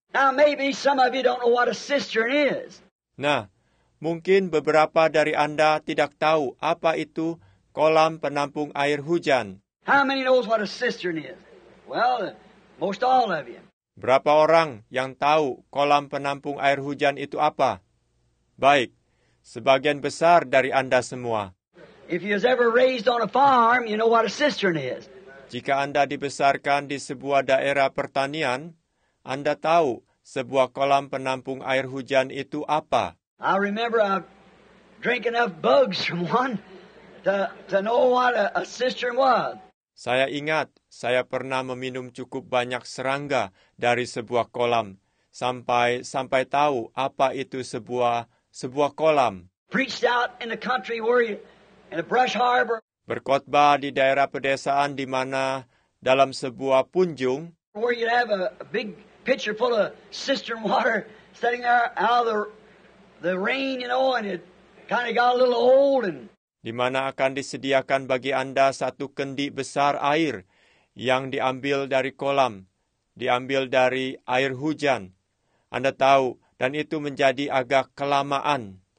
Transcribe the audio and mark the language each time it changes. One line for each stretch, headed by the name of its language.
English: Now maybe some of you don't know what a cistern is.
Indonesian: Nah, mungkin beberapa dari Anda tidak tahu apa itu kolam penampung air hujan.
English: How many knows what a cistern is? Well, most all of you.
Indonesian: Berapa orang yang tahu kolam penampung air hujan itu apa? Baik, sebagian besar dari Anda semua.
English: If you have ever raised on a farm, you know what a cistern is.
Indonesian: Jika Anda dibesarkan di sebuah daerah pertanian, Anda tahu sebuah kolam penampung air hujan itu apa.
English: I remember I drank enough bugs from one to know what a cistern was.
Indonesian: Saya ingat saya pernah meminum cukup banyak serangga dari sebuah kolam sampai tahu apa itu sebuah kolam.
English: Preached out in a country where in a brush harbor.
Indonesian: berkhotbah di daerah pedesaan di mana dalam sebuah punjung.
English: Where you'd have a big pitcher full of cistern water sitting there out of the rain, you know, and it kind of got a little old. And
Indonesian: di mana akan disediakan bagi Anda satu kendi besar air yang diambil dari kolam, diambil dari air hujan. Anda tahu, dan itu menjadi agak kelamaan.